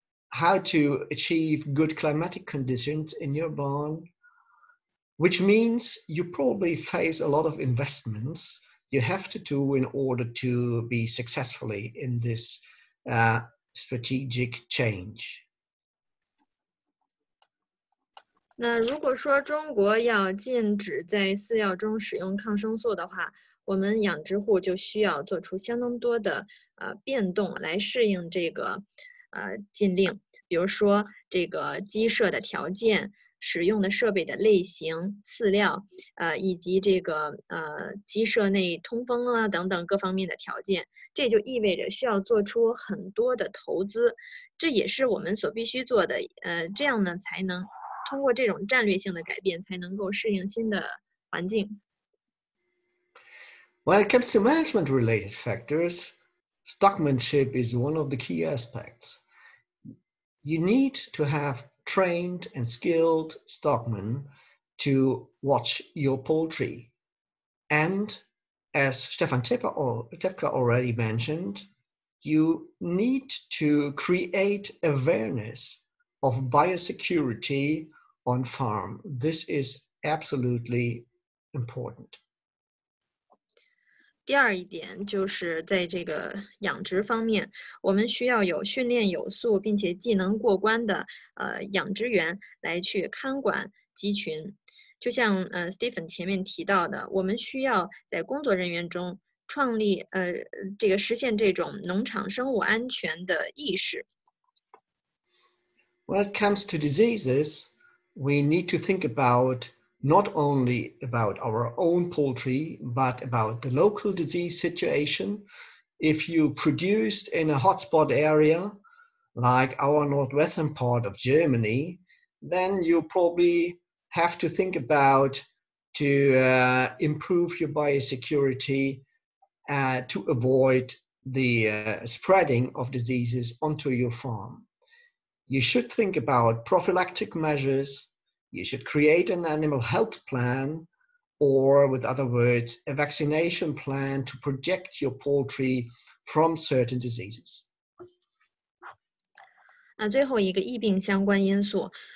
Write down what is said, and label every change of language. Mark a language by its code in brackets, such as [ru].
[en] how to achieve good climatic conditions in your barn, which means you probably face a lot of investments you have to do in order to be successfully in this strategic change. [zh] 那如果说中国要禁止在饲料中使用抗生素的话，我们养殖户就需要做出相当多的变动来适应这个禁令，比如说这个鸡舍的条件、使用的设备的类型、饲料，以及这个鸡舍内通风啊等等各方面的条件，这就意味着需要做出很多的投资，这也是我们所必须做的。这样呢，才能通过这种战略性的改变，才能够适应新的环境。 [en] When it comes to management-related factors, stockmanship is one of the key aspects. You need to have trained and skilled stockmen to watch your poultry. And as Stefan Tepka already mentioned, you need to create awareness of biosecurity on farm. This is absolutely important. [zh] 第二一点就是在这个养殖方面，我们需要有训练有素并且技能过关的养殖员来去看管鸡群。就像Stephen 前面提到的，我们需要在工作人员中创立这个实现这种农场生物安全的意识。 [en] When it comes to diseases, we need to think about not only about our own poultry, but about the local disease situation. If you produced in a hotspot area, like our northwestern part of Germany, then you probably have to think about to improve your biosecurity to avoid the spreading of diseases onto your farm. You should think about prophylactic measures. You should create an animal health plan, or with other words, a vaccination plan to protect your poultry from certain diseases. [zh] 最后一个疫病相关因素。